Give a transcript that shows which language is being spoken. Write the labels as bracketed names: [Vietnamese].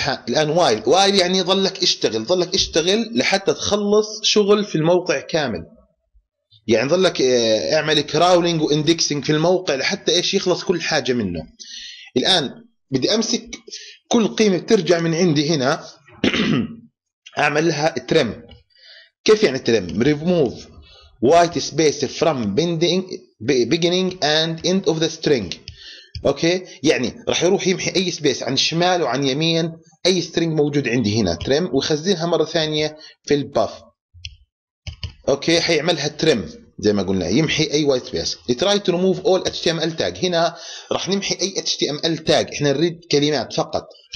[Arabic] الآن while يعني ظلك اشتغل لحتى تخلص شغل في الموقع كامل، يعني ظلك اعمل كراولينج واندكسينج في الموقع لحتى ايش يخلص كل حاجة منه. الآن بدي امسك كل قيمة بترجع من عندي هنا اعمل لها trim. كيف يعني [English] trim؟ remove white space from beginning and end of the string. [Arabic] اوكي يعني راح يروح يمحي اي سبيس عن الشمال وعن يمين اي string موجود عندي هنا trim ويخزنها مرة ثانية في الباف. اوكي حيعملها trim زي ما قلنا يمحي اي وايت سبيس. [English] try to remove all H T M L tag, [Arabic] هنا راح نمحي اي اتش تي ام ال تاج، احنا نريد كلمات فقط.